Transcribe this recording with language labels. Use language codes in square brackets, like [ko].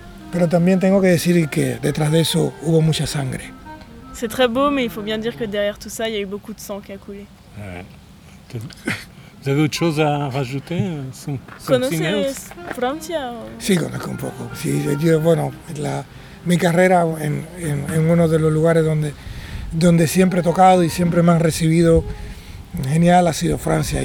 [es] Pero también tengo que decir que detrás de eso hubo mucha sangre. [fr] C'est très beau, mais il faut bien dire que derrière tout ça, il y a eu beaucoup de sang qui a coulé. Vous avez autre chose à rajouter? Connaissez Francia? [es] Sí, conozco un poco. Sí, yo, bueno, mi carrera en uno de los lugares donde siempre he tocado y siempre me han recibido genial ha sido Francia.